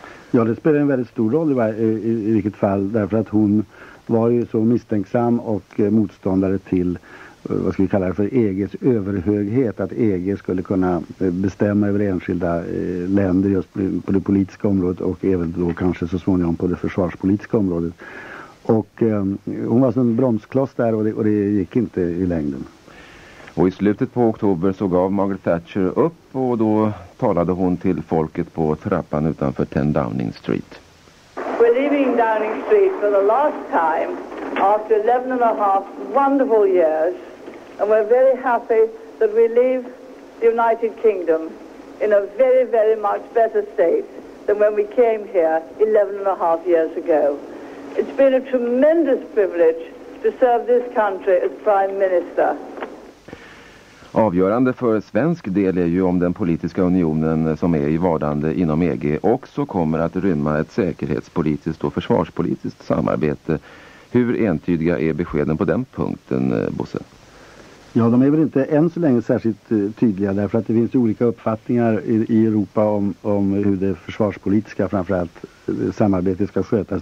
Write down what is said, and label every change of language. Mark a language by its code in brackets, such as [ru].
[sv] Ja, det spelar en väldigt stor roll i vilket fall, därför att hon var ju så misstänksam och motståndare till, vad ska vi kalla det för, EGs överhöghet, att EG skulle kunna bestämma över enskilda länder just på det politiska området och även då kanske så småningom på det försvarspolitiska området. Och hon var som en bromskloss där och det gick inte i längden. Och i slutet på oktober så gav Margaret Thatcher upp och då talade hon till folket på trappan utanför 10 Downing Street. [en] We're leaving Downing Street for the last time after 11 and a half wonderful years, and we're very happy that we leave the United Kingdom in a very, very much better state than when we came here 11 and a half years ago. It's been a tremendous privilege to serve this country as Prime Minister. [sv] Avgörande för svensk del är ju om den politiska unionen som är i vardande inom EG också kommer att rymma ett säkerhetspolitiskt och försvarspolitiskt samarbete. Hur entydiga är beskeden på den punkten, Bosse? Ja, de är väl inte än så länge särskilt tydliga, därför att det finns ju olika uppfattningar i Europa om hur det försvarspolitiska framförallt samarbetet ska skötas.